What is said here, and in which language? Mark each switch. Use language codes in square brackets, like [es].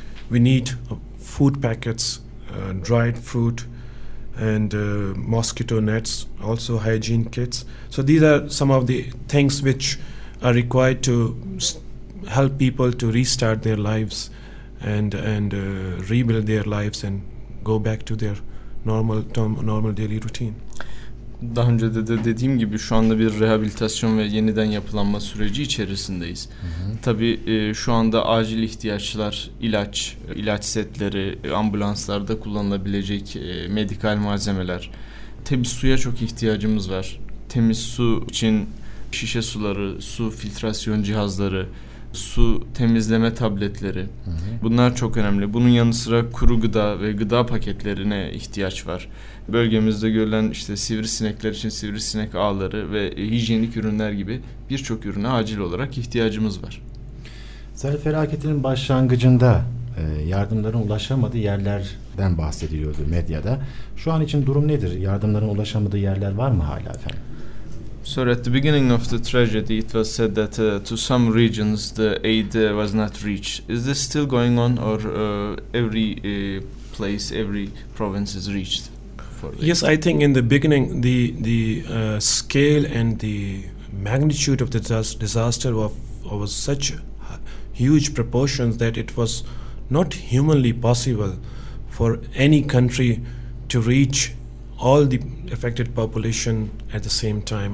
[en] We need food packets, dried fruit, and mosquito nets, also hygiene kits. So these are some of the things which are required to help people to restart their lives and rebuild their lives and go back to their normal daily routine. [tr] Daha önce de dediğim gibi şu anda bir rehabilitasyon ve yeniden yapılanma süreci içerisindeyiz. Tabii şu anda acil ihtiyaçlar ilaç setleri, ambulanslarda kullanılabilecek medikal malzemeler, temiz suya çok ihtiyacımız var. Temiz su için şişe suları, su filtrasyon cihazları, su temizleme tabletleri. Bunlar çok önemli. Bunun yanı sıra kuru gıda ve gıda paketlerine ihtiyaç var. Bölgemizde görülen işte sivrisinekler için sivrisinek ağları ve hijyenik ürünler gibi birçok ürüne acil olarak ihtiyacımız var. Sel felaketinin başlangıcında yardımların ulaşamadığı yerlerden bahsediliyordu medyada. Şu an için durum nedir? Yardımların ulaşamadığı yerler var mı hala efendim? [en] So at the beginning of the tragedy, it was said that to some regions the aid was not reached. Is this still going on, or every place, every province is reached? Yes, I think in the beginning the scale and the magnitude of the disaster was such huge proportions that it was not humanly possible for any country to reach all the affected population at the same time.